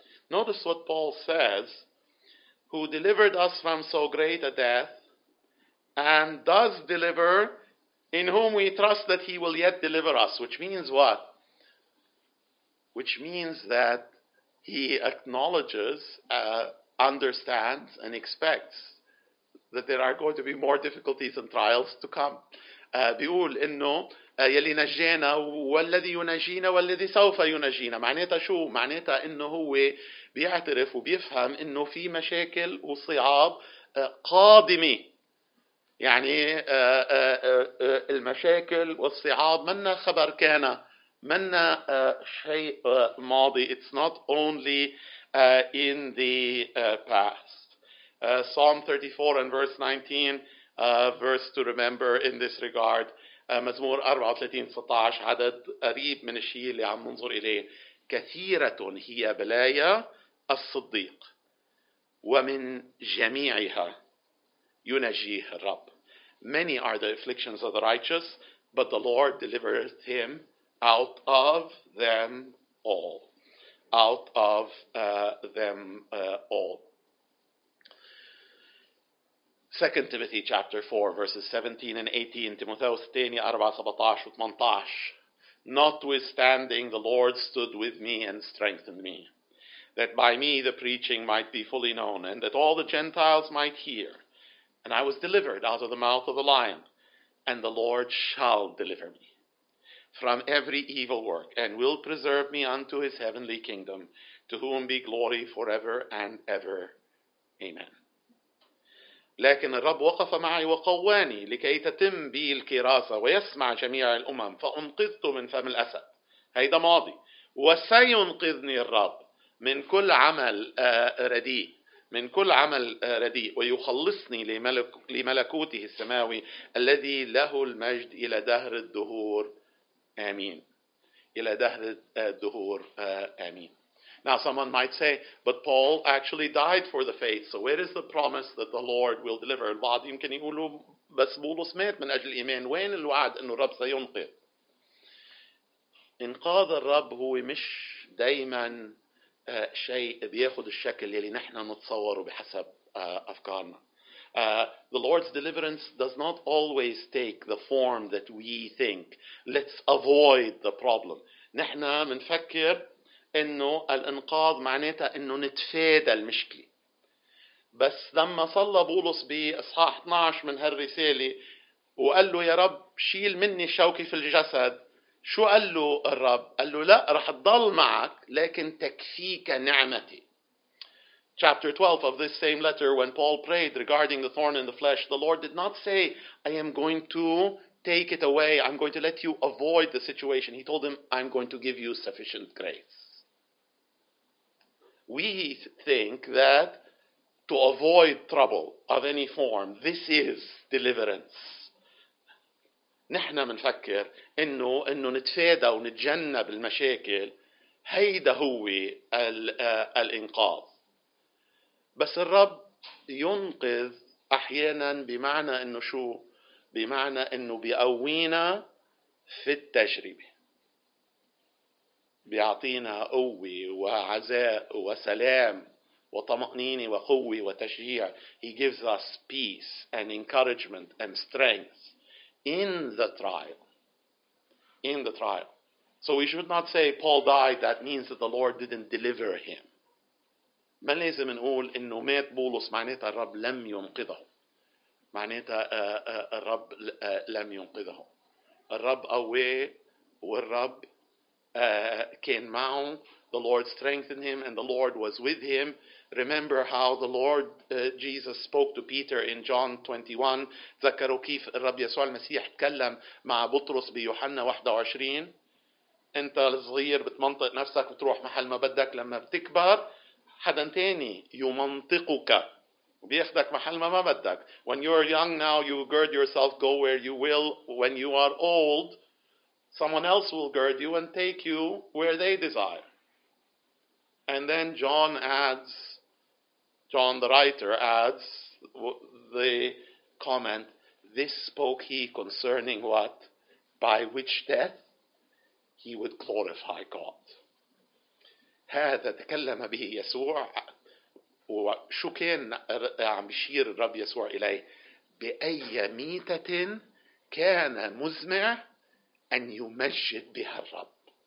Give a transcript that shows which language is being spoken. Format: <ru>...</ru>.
<en>Notice what Paul says, who delivered us from so great a death and does deliver, in whom we trust that he will yet deliver us. Which means what? Which means that he acknowledges, understands, and expects that there are going to be more difficulties and trials to come.</en> <ar>بيقول إنه يلي نجينا والذي ينجينا والذي سوف ينجينا. معناتها شو؟ معناتها إنه هو بيعترف وبيفهم إنه في مشاكل وصعاب قادمة. يعني المشاكل والصعاب منا خبر كان. منا شيء ماضي.</ar> <en>It's not only in the past. Psalm 34 and verse 19, verse to remember in this regard.</en> <ar>مزمور 34:16 عدد قريب من الشيء اللي عم ننظر إليه. كثيرة هي بلايا الصديق ومن جميعها ينجيه الرب.</ar> <en>Many are the afflictions of the righteous, but the Lord delivers him out of them all. Out of them all. 2 Timothy chapter 4, verses 17 and 18. Timotheus 2:4-18. Notwithstanding, the Lord stood with me and strengthened me, that by me the preaching might be fully known, and that all the Gentiles might hear. And I was delivered out of the mouth of the lion, and the Lord shall deliver me from every evil work, and will preserve me unto his heavenly kingdom, to whom be glory forever and ever. Amen.</en> <ar>لكن الرب وقف معي وقواني لكي تتم بي الكراسة ويسمع جميع الأمم فأنقذت من فم الأسد. هيدا ماضي. وسينقذني الرب من كل عمل رديء. من كل عمل رديء ويخلصني لملكوته السماوي الذي له المجد إلى دهر الدهور. آمين. إلى دهر الدهور. آمين.</ar> <en>Now someone might say, but Paul actually died for the faith. So where is the promise that the Lord will deliver?</en> <ar>البعض يمكن يقولوا بس بولس مات من أجل الإيمان. وين الوعد أنه الرب سينقذ؟ إنقاذ الرب هو مش دايماً شيء بياخذ الشكل اللي نحن نتصوره بحسب أفكارنا.</ar> <en>The Lord's deliverance does not always take the form that we think. Let's avoid the problem.</en> <ar>نحن منفكر إنه الإنقاذ معناتها إنه نتفادى المشكلة. بس لما صلى بولس بإصحاح 12 من هالرسالة وقال له يا رب شيل مني الشوكة في الجسد، شو قال له الرب؟ قال له لا، رح تضل معك لكن تكفيك نعمتي.</ar> <en>Chapter 12 of this same letter, when Paul prayed regarding the thorn in the flesh, the Lord did not say, I am going to take it away. I'm going to let you avoid the situation. He told him, I'm going to give you sufficient grace. We think that to avoid trouble of any form, this is deliverance.</en> <ar>نحن منفكر إنه نتفادى ونتجنب المشاكل، هيدا هو الإنقاذ. بس الرب ينقذ أحيانا بمعنى إنه شو؟ بمعنى إنه بيقوينا في التجربة، بيعطينا قوة وعزاء وسلام وطمأنينة وقوة وتشجيع.</ar> <en>He gives us peace and encouragement and strength in the trial. So we should not say Paul died, that means that the Lord didn't deliver him.</en> <ar>ما لازم نقول إنه مات بولس معناتها الرب لم ينقذه. معناتها الرب لم ينقذه. الرب قوي والرب كان معه.</ar> <en>The Lord strengthened him and the Lord was with him. Remember how the Lord Jesus spoke to Peter in John 21.</en> <ar>تذكروا كيف الرب يسوع المسيح تكلم مع بطرس بيوحنا 21. أنت صغير بتمنطق نفسك وتروح محل ما بدك لما بتكبر. حدا تاني يمنطقك وبيأخذك محل ما بدك.</ar> <en>When you are young now, you gird yourself, go where you will. When you are old, someone else will gird you and take you where they desire. And then John adds, John the writer adds the comment, this spoke he concerning what? By which death he would glorify God.</en> <ar>هذا تكلم به يسوع وشو كان عم بيشير الرب يسوع إليه بأي ميتة كان مزمع أن يمجد بها الرب</ar>